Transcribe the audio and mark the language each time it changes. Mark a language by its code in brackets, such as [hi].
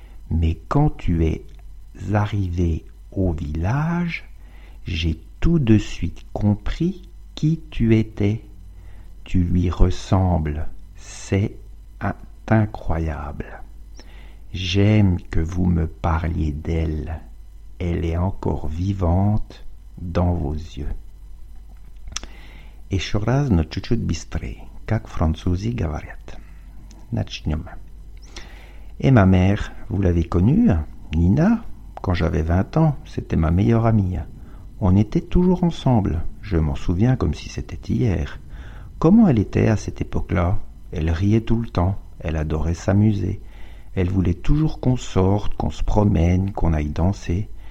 [fr] Mais quand tu es arrivé au village, j'ai tout de suite compris qui tu étais. Tu lui ressembles, c'est incroyable. J'aime que vous me parliez d'elle. Elle est encore vivante dans vos yeux. [ru] Ещё раз, но чуть-чуть быстрее, как французы говорят. Начнём. [fr] Et ma mère, vous l'avez connue, Nina, quand j'avais 20 ans, c'était ma meilleure amie. On était toujours ensemble. Je m'en souviens comme si c'était hier. Comment elle était à cette époque-là? Elle riait tout le temps. Elle adorait s'amuser. Elle voulait toujours qu'on sorte, qu'on se promène, qu'on aille danser.